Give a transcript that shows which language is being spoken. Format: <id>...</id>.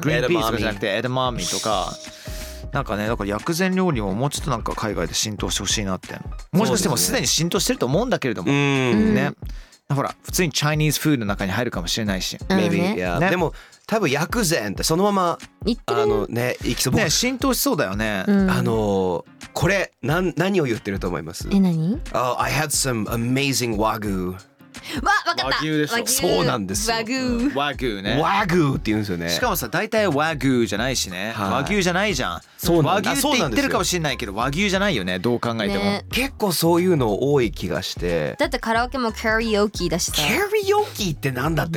<ja>グリーンピースとかじゃなくてエデマーメイとか、なんかね、だから薬膳料理ももうちょっとなんか海外で浸透してほしいなって、もしかしてもすでに浸透してると思うんだけれども、ね、ほら普通にチャイニーズフードの中に入るかもしれないし、</ja> <en>Maybe. Yeah.</en> <ja>ね、でも多分薬膳ってそのまま言ってる、あのね、行きそう、ね、浸透しそうだよね、これ何を言ってると思います？え、何？</ja> <en>Oh, I had some amazing wagyu。</en> <ja>わ、分かった、和牛でしょ。そうなんですよ、 wagyu、 wagyu ね、 wagyu って言うんですよね。しかもさ、大体 wagyu じゃないしね、はい、和牛じゃないじゃん。そうなんだ、和牛って言ってるかもしれないけど和牛じゃないよね、どう考えても、ね、結構そういうの多い気がして。だってカラオケもカリオキだしさ、カリオキって何だって、</ja>